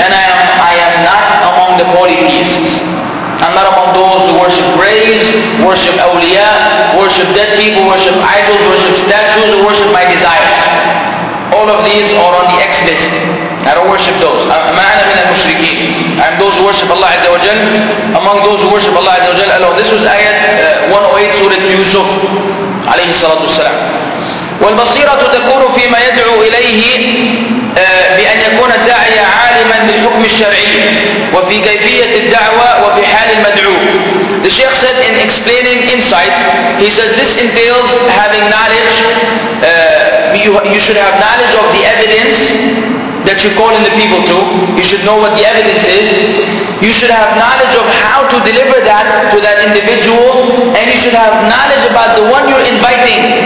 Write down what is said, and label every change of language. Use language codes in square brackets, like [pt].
[en] And I am not among the polytheists. I'm not among those who worship graves, worship awliya, worship dead people, worship idols, worship statues, or worship my desires. All of these are on the X list. I don't worship those. [ar] Ma ana min al-mushrikeen. [en] I'm those who worship Allah Azza wa Jal. Among those who worship Allah Azza wa Jal alone. This was ayat 108 Surah Yusuf alayhi salatu wasalam. [ar] والبصيرة تكون فيما يدعو إليه بأن يكون الداعي عالما بالحكم الشرعي وفي كيفية الدعوة وفي حال المدعو. [en] The Shaykh said in explaining insight, he says this entails having knowledge, you should have knowledge of the evidence that you call in the people to. You should know what the evidence is. You should have knowledge of how to deliver that to that individual, and you should have knowledge about the one you're inviting.